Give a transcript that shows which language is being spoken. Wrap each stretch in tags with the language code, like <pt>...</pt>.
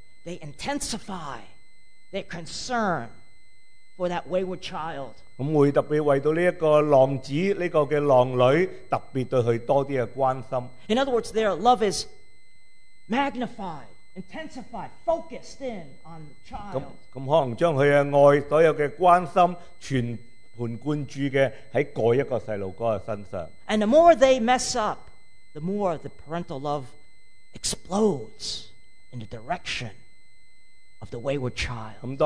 <en>They intensify their concern for that wayward child.</en> <yue>会特别为到呢一个浪子呢个嘅浪女，特别对佢多啲嘅关心。</yue> <en>In other words, their love is magnified, intensified, focused in on the child.</en> <yue>咁可能将佢嘅爱，所有嘅关心，全盘贯注嘅喺嗰一个细路哥嘅身上。</yue> <en>And the more they mess up, the more the parental love explodes in the direction of the wayward child.</en>